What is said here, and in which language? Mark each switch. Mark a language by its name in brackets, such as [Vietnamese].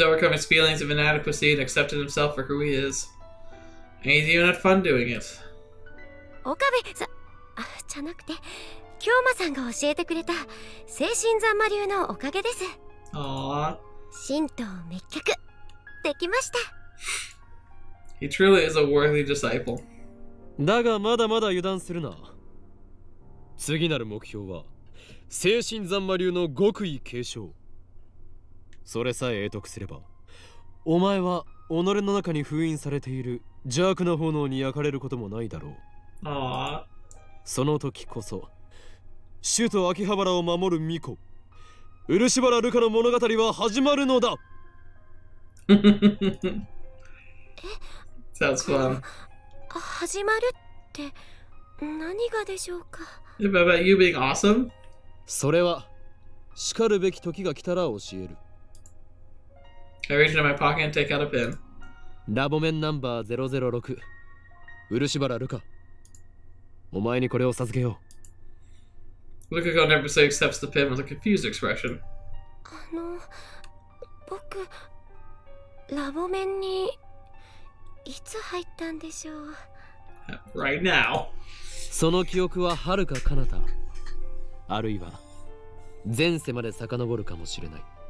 [English] overcome his feelings of inadequacy and accepted himself for who he is. And he's even had fun doing it. [Japanese] Okabe, じゃなくて、京馬さんが教えてくれた精神ざんま流のおかげです。ああ。神道滅却できました。 [English] He truly is a worthy disciple. [Japanese] だがまだまだ油断するな。次なる目標は精神ざんま流の極意継承。それさえ得得すれば、お前は己の中に封印されている邪悪な炎に焼かれることもないだろう。ああ。その時こそ、首都秋葉原を守る巫女、漆原ルカの物語は始まるのだ。 [English] Sounds fun. [Japanese] 始まるって何がでしょうか。 [English] About you being awesome? [Japanese] それは、しかるべき時が来たら教える。 [English] I reach into my pocket and take out a pin. [Japanese] ラボメンナンバー006、漆原ルカ。お前にこれを授けよう。 [English] Lukuko never say accepts the pin with a confused expression. [Japanese] あの、僕、ラボ面にいつ入ったんでしょう。 [English] Right now. [Japanese] その記憶は遥か彼方、あるいは前世まで遡るかもしれない。